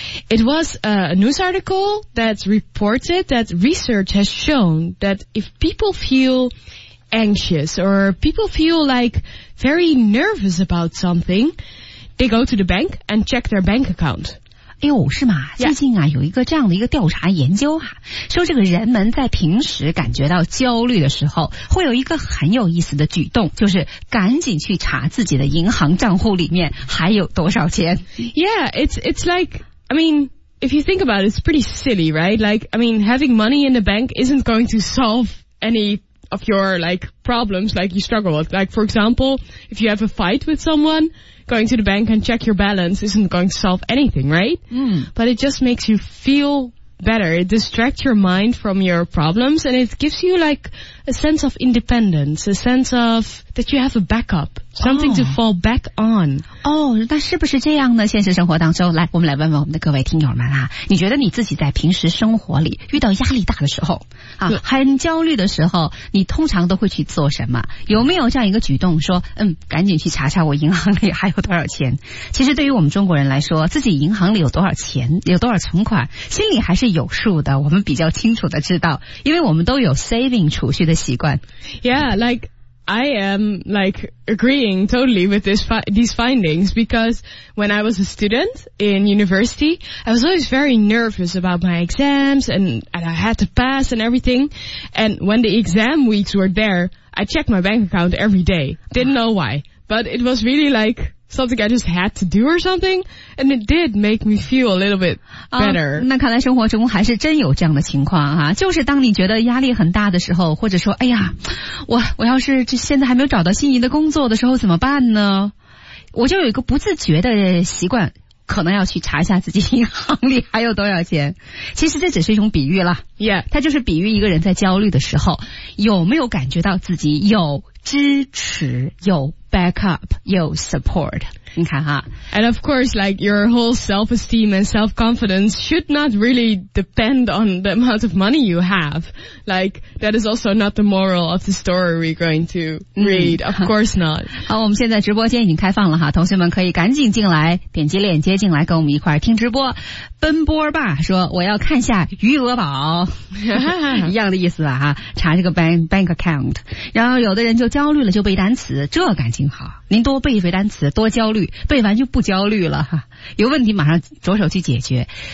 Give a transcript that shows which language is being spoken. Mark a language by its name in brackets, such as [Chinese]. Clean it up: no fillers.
[English] It was a news article that reported that research has shown that if people feel anxious or people feel like very nervous about something, they go to the bank and check their bank account. [Chinese] 哎呦，是吗？最近啊，有一个这样的一个调查研究啊，说这个人们在平时感觉到焦虑的时候，会有一个很有意思的举动，就是赶紧去查自己的银行账户里面还有多少钱。 [English] Yeah, it's like, I mean, if you think about it, it's pretty silly, right? Like, I mean, having money in the bank isn't going to solve any of your, like, problems, like you struggle with. Like, for example, if you have a fight with someone,going to the bank and check your balance isn't going to solve anything, right? But it just makes you feel better. It distracts your mind from your problems and it gives you like a sense of independence, a sense of that you have a backup, something to fall back on. [Chinese] 那是不是这样呢？现实生活当中，来，我们来问问我们的各位听友们啊，你觉得你自己在平时生活里遇到压力大的时候啊，很焦虑的时候，你通常都会去做什么？有没有这样一个举动说，赶紧去查查我银行里还有多少钱？其实对于我们中国人来说，自己银行里有多少钱，有多少存款，心里还是有数的，我们比较清楚的知道，因为我们都有 saving 储蓄的习惯。 [English] Yeah, like, I am, like, agreeing totally with these findings because when I was a student in university, I was always very nervous about my exams and I had to pass and everything. And when the exam weeks were there, I checked my bank account every day. Didn't know why, but it was really like... something I just had to do or something, and it did make me feel a little bit better. [Chinese] 那看来生活中还是真有这样的情况啊，就是当你觉得压力很大的时候，或者说，哎呀，我要是这现在还没有找到心仪的工作的时候怎么办呢？我就有一个不自觉的习惯，可能要去查一下自己银行里还有多少钱。其实这只是一种比喻了。 [English] Yeah. [Chinese] 它就是比喻一个人在焦虑的时候，有没有感觉到自己有支持，有backup, [English] your support. [Chinese] 你看哈。 [English] And of course, like, your whole self-esteem and self-confidence should not really depend on the amount of money you have. Like, that is also not the moral of the story we're going to read. Of course not. [Chinese] 好，我们现在直播间已经开放了哈，同学们可以赶紧进来，点击链接进来跟我们一块听直播。奔波吧说我要看下余额宝一样的意思吧哈，查这个 bank account。然后有的人就焦虑了，就背单词，这感情好，您多背一背单词多焦虑，背完就不焦虑了哈，有问题马上着手去解决。